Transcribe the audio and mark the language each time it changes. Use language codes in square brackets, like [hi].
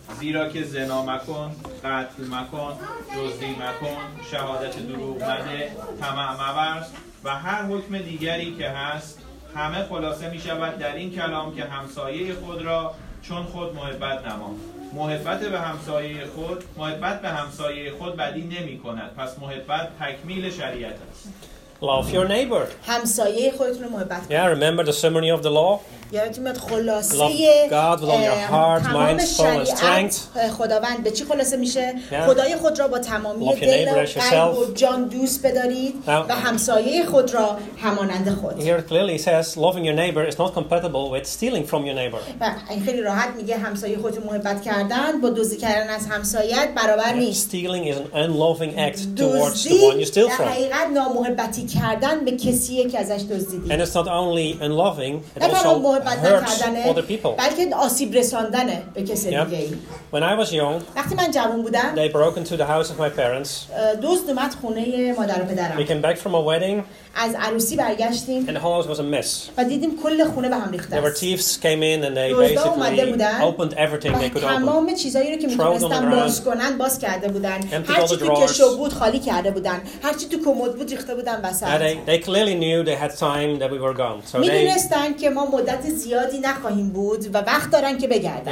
[fa] زیرا که زنا مکن، قتل مکن، دزدی مکن، شهادت دروغ مده، طمع مورز و هر حکم دیگری که هست، همه خلاصه می شود در این کلام که همسایه خود را چون خود محبت نما. محبت به همسایه خود، محبت به همسایه خود بدی نمی کند، پس محبت تکمیل شریعت است. [en] Love your neighbor. [fa] همسایه خودتون رو محبت کنید. [en] Yeah, remember the summary of the law. [fa] یادتون میاد خلاصه [en] Love God with all your heart, mind, soul, and strength. [fa] خداوند به چی خلاصه میشه؟ خدای خود را با تمامی دل و قلب و جان دوست بدارید و همسایه خود را همانند خود. [en] Here clearly says loving your neighbor is not compatible with stealing from your neighbor. [fa] خیلی راحت میگه همسایه خود رو محبت کردن با دزدی کردن از همسایه‌ات برابر نیست. [en] Stealing is an unloving act towards the one you steal from. [fa] دزدی حقیقت نامحبتی کردن به کسی که ازش دزدیدی. [en] And it's not only unloving, it also hurts other people. [fa] بلکه آسیب رساندنه به کسی دیگه. [en] When I was young, [fa] وقتی من جوان بودم, [en] they broke into the house of my parents. [fa] دزد اومد خونه مادر و پدرم. [en] We came back from a wedding. [fa] از عروسی برگشتیم. [en] And the house was a mess. [fa] و دیدیم کل خونه به هم ریخته. [en] There were thieves came in and they basically opened everything they could open. [fa] تمام چیزایی رو که میتونستن باز کنن باز کرده بودن. هر چی تو کشو بود خالی کرده بودن. هر چی تو کمد بود ریخته بودن وسط. [en] They clearly knew they had time that we were gone. [fa] So میدونستن که ما مدت زیادی نخواهیم بود و وقت دارن که بگردن.